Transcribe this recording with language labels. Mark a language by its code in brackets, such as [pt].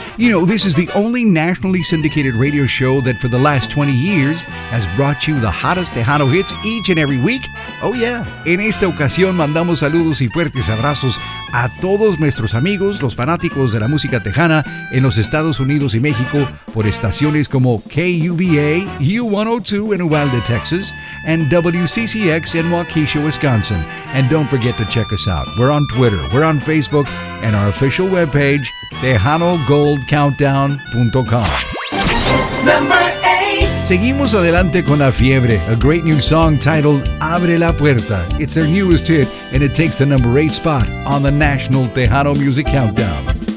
[en] You know, this is the only nationally syndicated radio show that for the last 20 years has brought you the hottest Tejano hits each and every week. Oh, yeah. [es] En esta ocasión mandamos saludos y fuertes abrazos a todos nuestros amigos, los fanáticos de la música tejana en los Estados Unidos y México por estaciones como KUVA, U102 en Uvalde, Texas, [en] and WCCX in Waukesha, Wisconsin. And don't forget to check us out. We're on Twitter, we're on Facebook, and our official webpage, TejanoGoldCountdown.com. Number 8. [es] Seguimos adelante con La Fiebre, [en] a great new song titled [es] Abre la Puerta. [en] It's their newest hit, and it takes the number 8 spot on the National Tejano Music Countdown.